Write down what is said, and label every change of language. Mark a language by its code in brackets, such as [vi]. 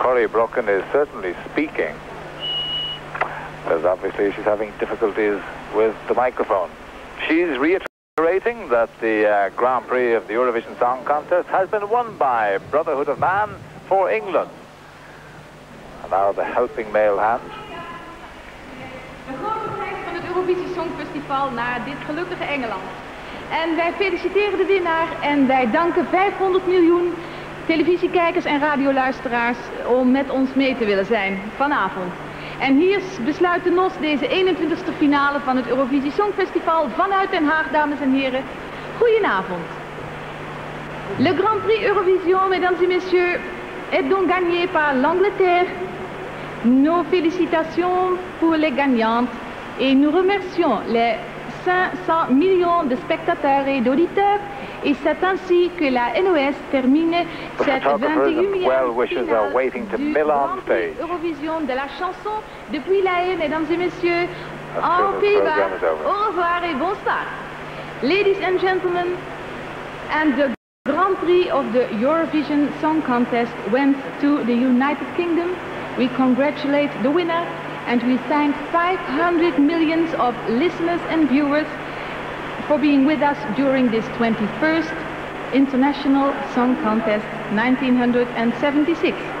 [en] Brocken is certainly speaking, as obviously she's having difficulties with the microphone. She's reiterating that the Grand Prix of the Eurovision Song Contest has been won by Brotherhood of Man for England. And now the helping male hand. [nl] De grote prijs van het Eurovisie Songfestival naar dit gelukkige Engeland. En wij feliciteren de winnaar en wij danken 500 miljoen televisiekijkers en radioluisteraars om met ons mee te willen zijn vanavond. En hier besluit de NOS deze 21ste finale van het Eurovisie Songfestival vanuit Den Haag, dames en heren. Goedenavond. [fr] Le Grand Prix Eurovision, mesdames et messieurs, est donc gagné par l'Angleterre. Nos félicitations pour les gagnantes et nous remercions les 500 millions de spectateurs et d'auditeurs. Et c'est ainsi que la NOS termine cette 21e finale du Grand Prix Eurovision de la chanson. Depuis La Haye, mesdames et messieurs, Au revoir. Au revoir et bonsoir. [en] Ladies and gentlemen, and the Grand Prix of the Eurovision Song Contest went to the United Kingdom. We congratulate the winner and we thank 500 million of listeners and viewers for being with us during this 21st International Song Contest 1976.